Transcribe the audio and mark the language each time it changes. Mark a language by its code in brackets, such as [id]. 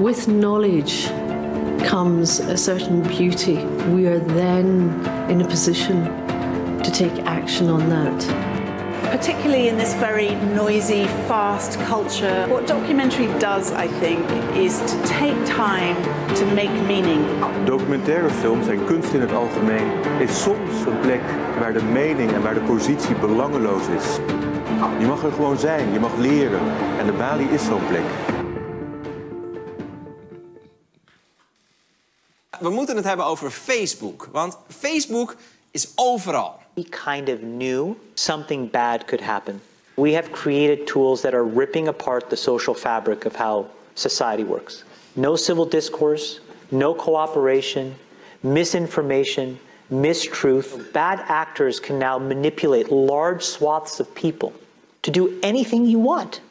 [en] With knowledge comes a certain beauty. We are then in a position to take action on that. Particularly in this very noisy, fast culture, what documentary does, I think, is to take time to make meaning. [nl] Documentaire films en kunst in het algemeen is soms een plek waar de mening en waar de positie belangeloos is. Je mag er gewoon zijn, je mag leren. En de Bali is zo'n plek. We moeten het hebben over Facebook, want Facebook is overal. [en] We kind of knew something bad could happen. We have created tools that are ripping apart the social fabric of how society works. No civil discourse, no cooperation, misinformation, mistruth. Bad actors can now manipulate large swaths of people to do anything you want.